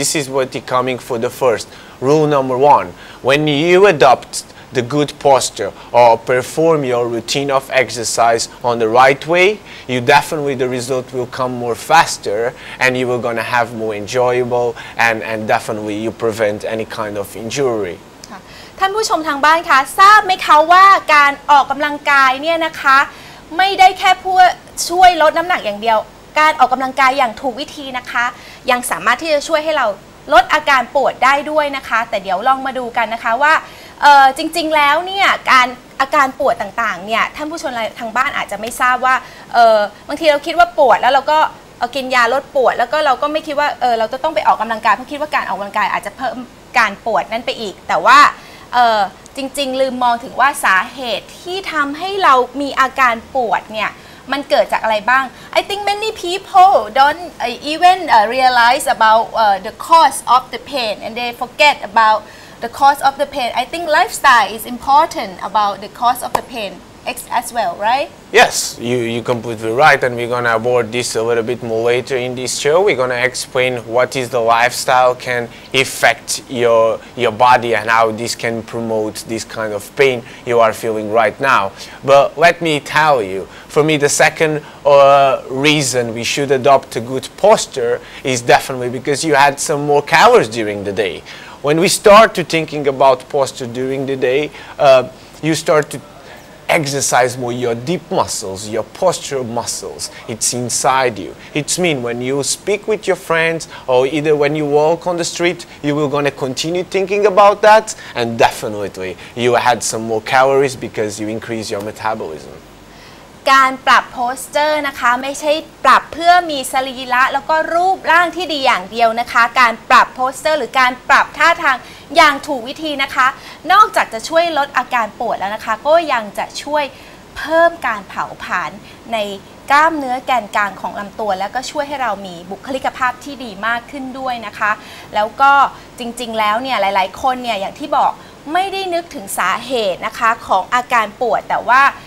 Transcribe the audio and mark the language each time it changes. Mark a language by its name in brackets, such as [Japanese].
[English] This is what is coming for the first. Rule number one, when you adopt the good posture or perform your routine of exercise on the right way, you definitely the result will come more faster and you are going to have more enjoyable and definitely you prevent any kind of injury. [Thai] ท่านผู้ชมทางบ้านคะทราบไหมคะว่าการออกกำลังกายเนี่ยนะคะไม่ได้แค่เพื่อช่วยลดน้ำหนักอย่างเดียวการออกกำลังกายอย่างถูกวิธีนะคะยังสามารถที่จะช่วยให้เราลดอาการปวดได้ด้วยนะคะแต่เดี๋ยวลองมาดูกันนะคะว่าจริงๆแล้วเนี่ยการอาการปวดต่างๆเนี่ยท่านผู้ชมทางบ้านอาจจะไม่ทราบว่า บางทีเราคิดว่าปวดแล้วเราก็กินยาลดปวดแล้วก็เราก็ไม่คิดว่าเราจะต้องไปออกกำลังกายเพราะคิดว่าการออกกำลังกายอาจจะเพิ่มการปวดนั่นไปอีกแต่ว่าจริงๆลืมมองถึงว่าสาเหตุที่ทำให้เรามีอาการปวดเนี่ยมันเกิดจากอะไรบ้าง [English] I think many people don't even realize about the cause of the pain and they forget about the cause of the pain I think lifestyle is important about the cause of the pain as well right Yes you completely right and we're gonna abort this a little bit more later in this show we're gonna explain what is the lifestyle can affect your body and how this can promote this kind of pain you are feeling right now but let me tell you for me the second reason we should adopt a good posture is definitely because you had some more calories during the day when we start to thinking about posture during the day you start toExercise more your deep muscles, your postural muscles. It's inside you. It's mean when you speak with your friends or either when you walk on the street, you will gonna continue thinking about that. And definitely, you had some more calories because you increase your metabolism. [Thai] การปรับโพสเจอร์นะคะไม่ใช่ปรับเพื่อมีสรีระแล้วก็รูปร่างที่ดีอย่างเดียวนะคะการปรับโพสเจอร์หรือการปรับท่าทางอย่างถูกวิธีนะคะนอกจากจะช่วยลดอาการปวดแล้วนะคะก็ยังจะช่วยเพิ่มการเผาผลาญในกล้ามเนื้อแกนกลางของลำตัวแล้วก็ช่วยให้เรามีบุคลิกภาพที่ดีมากขึ้นด้วยนะคะแล้วก็จริงๆแล้วเนี่ยหลายๆคนเนี่ยอย่างที่บอกไม่ได้นึกถึงสาเหตุนะคะของอาการปวดแต่ว่า